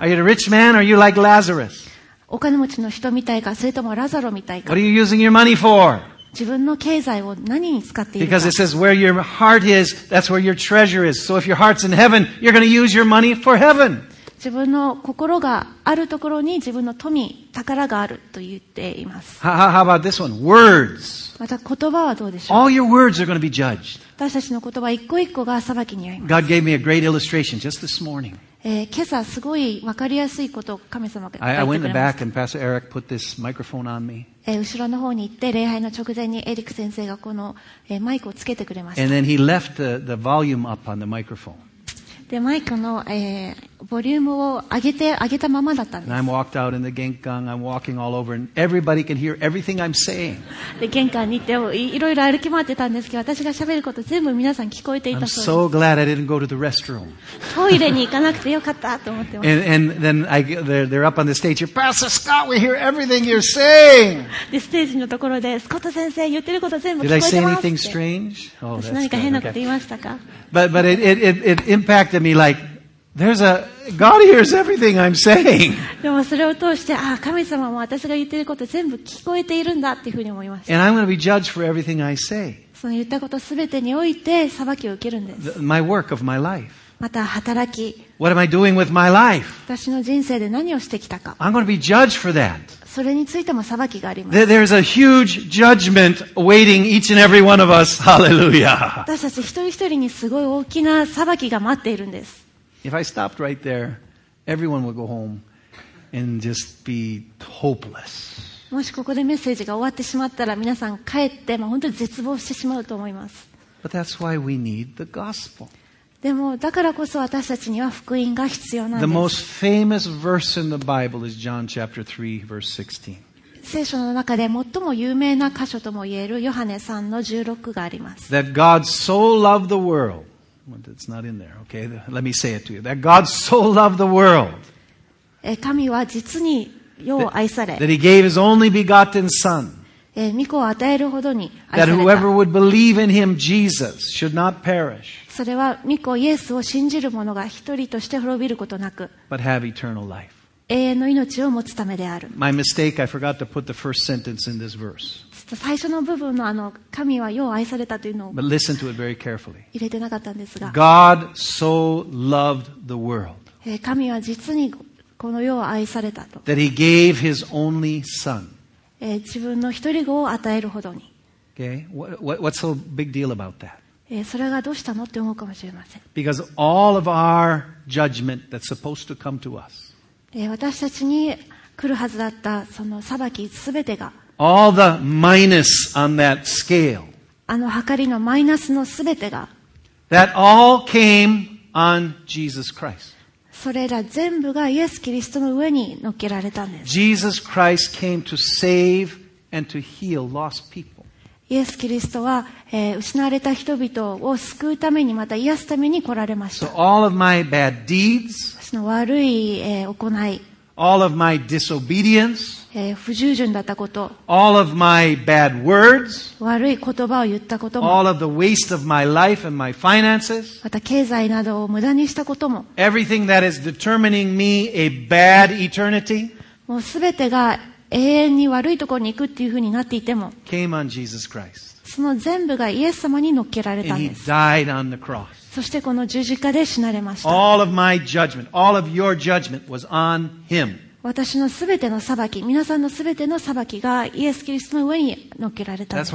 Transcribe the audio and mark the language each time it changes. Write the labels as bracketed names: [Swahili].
[English] Are you a rich man or are you like Lazarus? [Japanese] お金持ちの人みたいか、それともラザロみたいか。 [English] What are you using your money for? [Japanese] 自分の経済を何に使っているか。 [English] Because it says where your heart is, that's where your treasure is. So if your heart's in heaven, you're going to use your money for heaven. [Japanese] 自分の心があるところに自分の富、宝があると言っています。 [English] How about this one? Words. [Japanese] また言葉はどうでしょう? [English] All your words are going to be judged. [Japanese] 私たちの言葉一個一個が裁きにあります。 [English] God gave me a great illustration just this morning. [Japanese] 今朝すごい分かりやすいことを神様が言ってくれました。 [English] I went in the back and Pastor Eric put this microphone on me. [Japanese] 後ろの方に行って礼拝の直前にエリック先生がこのマイクをつけてくれました。 [English] And then he left the volume up on the microphone. [Japanese] でマイクのボリュームを上げたままだったんです。 [English] And I walked out in the gankang. I'm walking all over, and everybody can hear everything I'm saying. [Japanese] で玄関に行ってもいろいろ歩き回ってたんですけど、私が喋ること全部皆さん聞こえていたそうです。 [English] I'm so glad I didn't go to the restroom. [Japanese] トイレに行かなくてよかったと思ってます。 [English] And then they're up on the stage. Pastor Scott, we hear everything you're saying. [Japanese] でステージのところでスコット先生言ってること全部聞こえてます。 [English] Did I say anything strange? [Japanese] Oh, 私何か変なこと言いましたか [English] ？But it impacted me like. There's a God hears everything I'm saying. [Japanese] でもそれを通して、ああ神様も私が言ってること全部聞こえているんだっていうふうに思いました。 [English] And I'm going to be judged for everything I say. [Japanese] その言ったことすべてにおいて裁きを受けるんです。 [English] My work of my life. [Japanese] また働き。 [English] What am I doing with my life? [Japanese] 私の人生で何をしてきたか。 [English] I'm going to be judged for that. [Japanese] それについても裁きがあります。 [English] There's a huge judgment awaiting each and every one of us. Hallelujah. [Japanese] 私たち一人一人にすごい大きな裁きが待っているんです。 [English] If I stopped right there, everyone would go home and just be hopeless. [Japanese] もしここでメッセージが終わってしまったら、皆さん帰って、まあ、本当に絶望してしまうと思います。 [English] But that's why we need the gospel. [Japanese] でもだからこそ私たちには福音が必要なんです。 [English] The most famous verse in the Bible is John chapter 3 verse 16. [Japanese] 聖書の中で最も有名な箇所とも言えるヨハネ3の16があります。 [English] That God so loved the world. Well, it's not in there. Okay, let me say it to you. That God so loved the world. [Japanese] 神は実に世を愛され。 [English] That He gave His only begotten Son. [Japanese] 御子を与えるほどに愛された。 [English] That whoever would believe in him, Jesus, should not perish. [Japanese] それは御子イエスを信じる者が一人として滅びることなく、 [English] but have eternal life. [Japanese] 永遠の命を持つためである。 [English] My mistake, I forgot to put the first sentence in this verse. [Japanese] ちょっと最初の部分の神は世を愛されたというのを、 [English] but listen to it very carefully. [Japanese] 入れてなかったんですが、 [English] God so loved the world. [Japanese] 神は実にこの世を愛されたと。 [English] That he gave his only son. [Japanese] 自分の一人子を与えるほどに。 [English] Okay. What's so big deal about that? [Japanese] それがどうしたのって思うかもしれません。 [English] Because all of our judgment that's supposed to come to us. [Japanese] 私たちに来るはずだったその裁きすべてが。 [English] All the minus on that scale. [Japanese] あの計りのマイナスのすべてが。 [English] That all came on Jesus Christ. [Japanese] それら全部がイエス・キリストの上に乗っけられたんです。 [English] Jesus Christ came to save and to heal lost people. [Japanese] イエス・キリストは、失われた人々を救うためにまた癒すために来られました。 [English] So all of my bad deeds, [Japanese] その悪い、行い、 [English] all of my disobedience, [Japanese] 不従順だったこと、 [English] all of my bad words, [Japanese] 悪い言葉を言ったことも、 [English] all of the waste of my life and my finances, [Japanese] また経済などを無駄にしたことも、 [English] everything that is determining me a bad eternity, [Japanese] もうすべてが永遠に悪いところに行くっていうふうになっていても、 [English] came on Jesus Christ. [Japanese] その全部がイエス様に乗っけられたんです。 [English] And he died on the cross. [Japanese] そしてこの十字架で死なれました。 [English] All of my judgment, all of your judgment was on him. [Japanese] 私のすべての裁き、皆さんのすべての裁きがイエス・キリストの上に乗っけられたんです。